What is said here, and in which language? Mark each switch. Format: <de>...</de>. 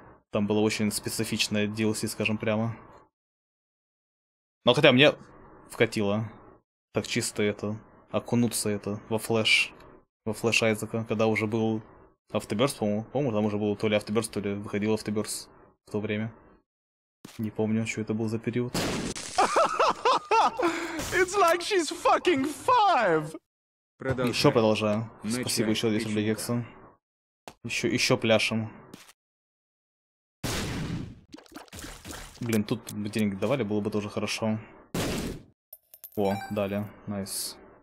<ru>Там было очень специфичное DLC, скажем прямо. Но хотя мне вкатило так чисто это, окунуться это во Flash. Во Flash Айзека, когда уже был Afterbirth, по-моему, там уже было то ли Afterbirth, то ли выходил Afterbirth в то время. Не помню, что это был за период.</ru> <en>It's like she's fucking five!</en> <ru>Продолжаем. Еще продолжаю. Спасибо еще здесь для Гекса. Еще пляшем. Блин, тут бы денег давали, было бы тоже хорошо. О, дали. Найс.</ru>